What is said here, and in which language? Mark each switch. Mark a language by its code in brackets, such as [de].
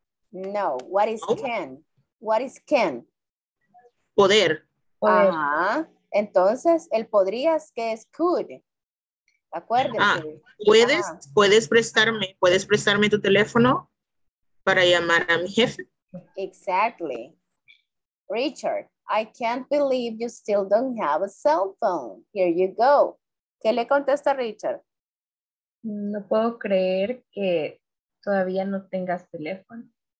[en] No, what is no. Can? What is can? [es] Poder. Ajá, entonces el podrías que es could. Acuérdense. Ah, ¿puedes prestarme tu teléfono para llamar a mi jefe? [en] Exactly. Richard, I can't believe you still don't have a cell phone. Here you go. [es] ¿Qué le contesta Richard? No puedo creer que todavía no tengas teléfono.